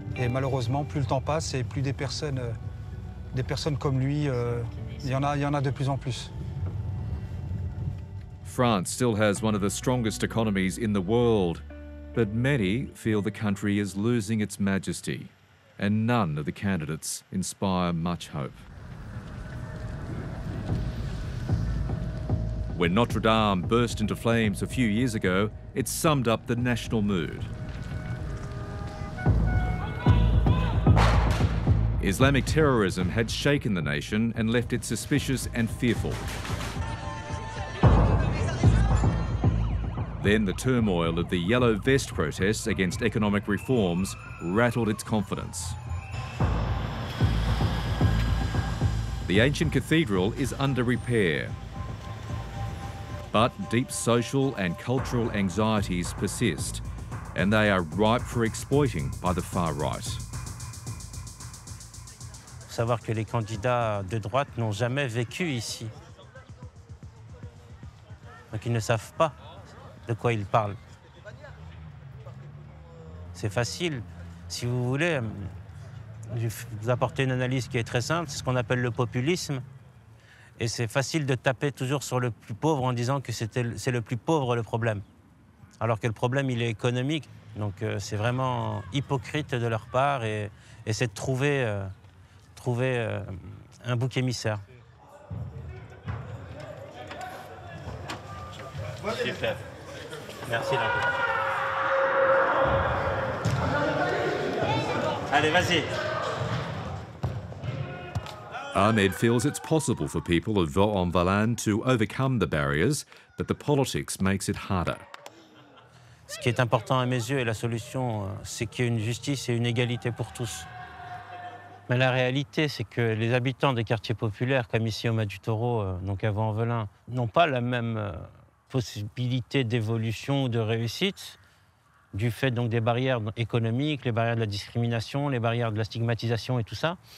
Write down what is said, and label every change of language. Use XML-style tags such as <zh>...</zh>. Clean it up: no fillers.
<fr>Malheureusement, plus le temps passe et plus des personnes comme lui, il y en a de plus en plus.</fr> <en>France still has one of the strongest economies in the world, but many feel the country is losing its majesty, and none of the candidates inspire much hope. When Notre Dame burst into flames a few years ago, it summed up the national mood. Islamic terrorism had shaken the nation and left it suspicious and fearful. Then the turmoil of the yellow vest protests against economic reforms rattled its confidence. The ancient cathedral is under repair. But deep social and cultural anxieties persist, and they are ripe for exploiting by the far right.</en> <fr>Savoir que les candidats de droite n'ont jamais vécu ici. Donc ils ne savent pas de quoi ils parlent. C'est facile. Si vous voulez, je vous apporter une analyse qui est très simple, c'est ce qu'on appelle le populisme. Et c'est facile de taper toujours sur le plus pauvre en disant que c'est le plus pauvre le problème. Alors que le problème, il est économique. Donc c'est vraiment hypocrite de leur part et c'est de trouver... trouver un bouc émissaire. Super. Merci. Allez, vas-y.</fr> <en>Ahmed feels it's possible for people of Vaux-en-Velin to overcome the barriers, but the politics makes it harder.</en> <fr>Ce qui est important à mes yeux et la solution, c'est qu'il y ait une justice et une égalité pour tous. Mais la réalité, c'est que les habitants des quartiers populaires, comme ici au Mas du Taureau, donc à Vaux-en-Velin, n'ont pas la même possibilité d'évolution ou de réussite du fait donc des barrières économiques, les barrières de la discrimination, les barrières de la stigmatisation et tout ça.</fr>